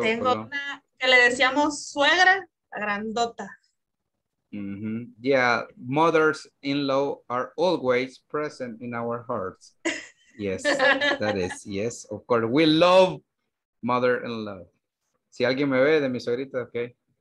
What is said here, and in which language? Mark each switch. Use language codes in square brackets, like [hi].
[es] Tengo una que le decíamos suegra, la grandota. Mm-hmm. [en] Yeah, mothers in law are always present in our hearts. Yes, that is. Yes, of course. We love mother in law. [es] Si alguien me ve de mi suegrita, okay.